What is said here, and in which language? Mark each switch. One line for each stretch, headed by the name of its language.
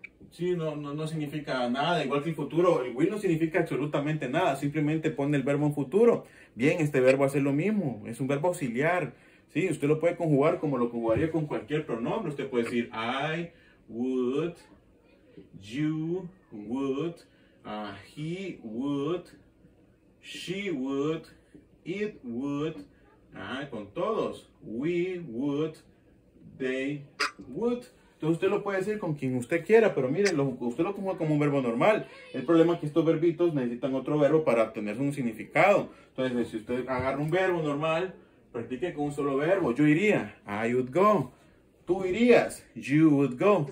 Spanish: Sí, no significa nada. Igual que el futuro, el will no significa absolutamente nada. Simplemente pone el verbo en futuro. Bien, este verbo hace lo mismo. Es un verbo auxiliar. Sí, usted lo puede conjugar como lo conjugaría con cualquier pronombre. Usted puede decir,
English: I would, you would, he would, she would, it would,
Spanish: con todos,
English: we would, they would.
Spanish: Entonces usted lo puede decir con quien usted quiera, pero mire, usted lo conjuga como un verbo normal. El problema es que estos verbitos necesitan otro verbo para tener un significado. Entonces, si usted agarra un verbo normal, practique con un solo verbo. Yo iría,
English: I would go.
Spanish: Tú irías,
English: you would go.